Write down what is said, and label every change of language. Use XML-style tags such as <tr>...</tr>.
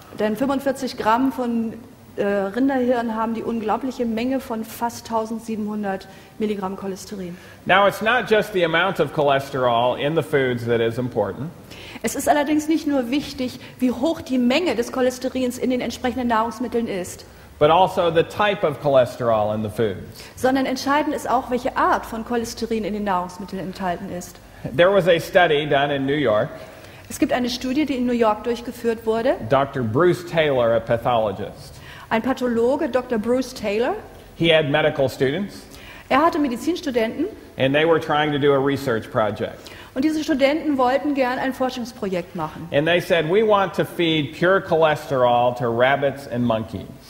<de>Denn 45 Gramm von Rinderhirn haben die unglaubliche Menge von fast 1700 Milligramm Cholesterin.</de> <en>Now it's not just the amount of cholesterol in the foods that is important.</en> <de>Es ist allerdings nicht nur wichtig, wie hoch die Menge des Cholesterins in den entsprechenden Nahrungsmitteln ist.</de> <en>But also the type of cholesterol in the foods.</en> <de>Sondern entscheidend ist auch, welche Art von Cholesterin in den Nahrungsmitteln enthalten ist.</de> <en>There was a study done in New York.</en> <de>Es gibt eine Studie, die in New York durchgeführt wurde.</de> <en>Dr. Bruce Taylor, a pathologist.</en> <de>Ein Pathologe, Dr. Bruce Taylor.</de> <en>He had medical students.</en> <de>Er hatte Medizinstudenten.</de> <en>And they were trying to do a research project.</en> <de>Und diese Studenten wollten gern ein Forschungsprojekt machen.</de> <en>And they said, we want to feed pure cholesterol to rabbits and monkeys.</en>